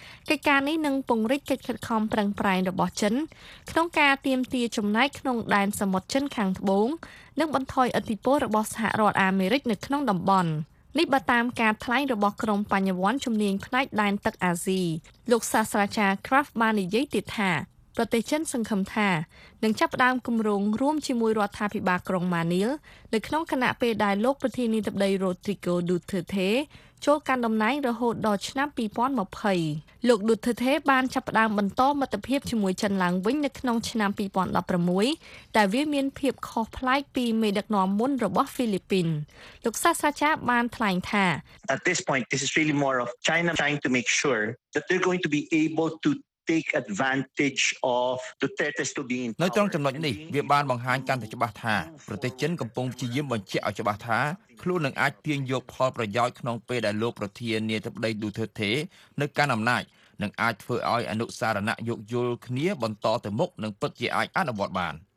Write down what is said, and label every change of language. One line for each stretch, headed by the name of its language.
Khmer: កិច្ចការនេះនឹងពង្រីកកិច្ចខិតខំប្រឹងប្រែងរបស់ចិនក្នុងការទាមទារចំណែកក្នុងដែនសមុទ្រចិនខាងត្បូងនិងបន្ថយឥទ្ធិពលរបស់សហរដ្ឋអាមេរិកនៅក្នុងតំបន់នេះបើតាមការថ្លែងរបស់ក្រុមបញ្ញវន្តជំនាញផ្នែកដែនទឹកអាស៊ីលោកសាស្ត្រាចារ្យ Craft បាននិយាយទៀតថាប្រទេសចិនសង្ឃឹមថានឹងចាប់ផ្ដើមគម្រោងរួមជាមួយរដ្ឋាភិបាលក្រុងម៉ានីលនៅក្នុងគណៈពេលដែលលោកប្រធានាធិបតីរ៉ូទ្រីโกឌូទើធេ ចូលកាន់តំណែងរហូតដល់ឆ្នាំ2020លោកឌូទើធេបានចាប់ផ្ដើមបន្តមិត្តភាពជាមួយចិនឡើងវិញនៅក្នុងឆ្នាំ2016តែវាមានភាពខុសប្លែកពីមេដឹកនាំមុនរបស់ហ្វីលីពីនលោកសាស្ត្រាចារ្យបានថ្លែងថា
English: At this point this is really more of China trying to make sure that they're going to be able to take advantage of Duterte's to be in
Khmer: នៅត្រង់ចំណុចនេះវាបានបង្ហាញកាន់តែច្បាស់ថាប្រទេសចិនកំពុងព្យាយាមបញ្ជាក់ឲ្យច្បាស់ថាខ្លួននឹងអាចទាញយកផលប្រយោជន៍ក្នុងពេលដែលលោកប្រធានាធិបតី Duterte នៅកាន់អំណាចនឹងអាចធ្វើឲ្យអនុសារណៈយោគយល់គ្នាបន្តទៅមុខនិងពិតជាអាចអនុវត្តបាន